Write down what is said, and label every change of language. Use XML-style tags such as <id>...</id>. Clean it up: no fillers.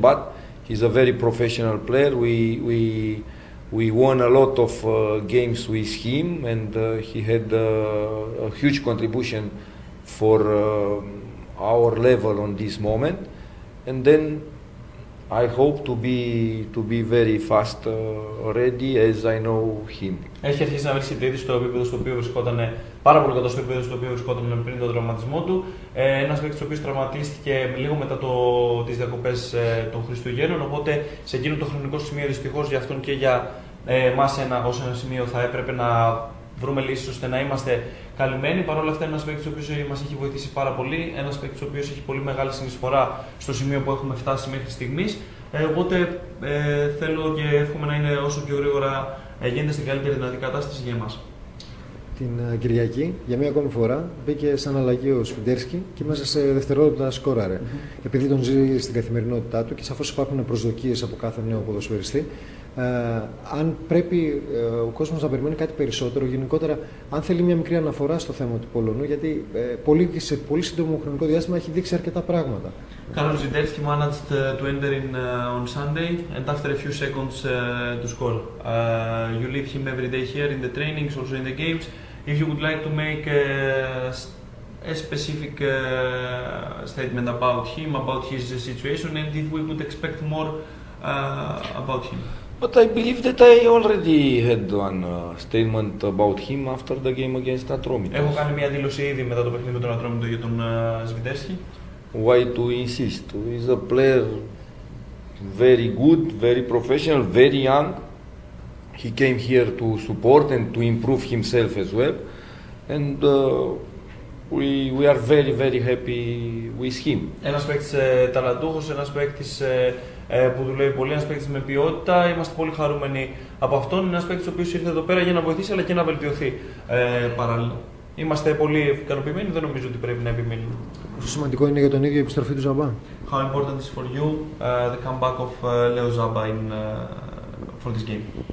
<en>But he's a very professional player. We won a lot of games with him, and he had a huge contribution for our level on this moment. And then I hope to be very fast ready, as I know him.</en> <el>Έχει αρχίσει να βρίσκει τη δύση στο επίπεδο στο οποίο βρισκόταν, πάρα πολύ κοντά στο επίπεδο στο οποίο βρισκόταν πριν τον τραυματισμό του. Ένας παίκτης ο οποίος τραυματίστηκε λίγο μετά τις διακοπές των Χριστουγέννων, οπότε σε εκείνο το χρονικό σημείο δυστυχώς για αυτόν και για εμάς ως ένα σημείο θα έπρεπε να βρούμε λύσεις ώστε να είμαστε καλυμμένοι. Παρ' όλα αυτά, ένας παίκτης ο οποίος μας έχει βοηθήσει πάρα πολύ, ένας παίκτης ο οποίος έχει πολύ μεγάλη συνεισφορά στο σημείο που έχουμε φτάσει μέχρι στιγμής. Οπότε θέλω και εύχομαι να είναι όσο πιο γρήγορα γίνεται στην καλύτερη δυνατή κατάσταση για εμάς. Την Κυριακή, για μία ακόμη φορά, μπήκε σαν αλλαγή ο Σφιντέρσκι και μέσα σε δευτερόλεπτα σκόραρε. Mm-hmm. Επειδή τον ζει στην καθημερινότητά του και σαφώς υπάρχουν προσδοκίες από κάθε νέο ποδοσφαιριστή, αν πρέπει ο κόσμος να περιμένει κάτι περισσότερο, γενικότερα, αν θέλει μία μικρή αναφορά στο θέμα του Πολωνού, γιατί σε πολύ σύντομο χρονικό διάστημα έχει δείξει αρκετά πράγματα.</el> <en>Carlos Zidetsky managed to enter in on Sunday and after a few seconds to score. You leave him every day here in the trainings, also in the games. If you would like to make a specific statement about him, about his situation and if we would expect more about him. But I believe that I already had one statement about him after the game against Atromitos.</en> <el>Έχω κάνει μια δήλωση ήδη μετά το παιχνίδι με τον Ατρόμητο για τον Zvidersky.</el> <en>Why to insist? He's a player very good, very professional, very young. He came here to support and to improve himself as well. And we are very, very happy with him.</en> <el>Ένας παίκτης ταλαντούχος, ένας παίκτης που δουλεύει πολύ, ένας παίκτης με ποιότητα. Είμαστε πολύ χαρούμενοι από αυτόν. Ένας παίκτης ο οποίος ήρθε εδώ πέρα για να βοηθήσει αλλά και να βελτιωθεί παράλληλα. Είμαστε πολύ ικανοποιημένοι, δεν νομίζω ότι πρέπει να επιμείνουμε. Πόσο σημαντικό είναι για τον ίδιο η επιστροφή του Ζαμπά?</el> <en>How important is for you the comeback of Leo Zaba in for this game?</en>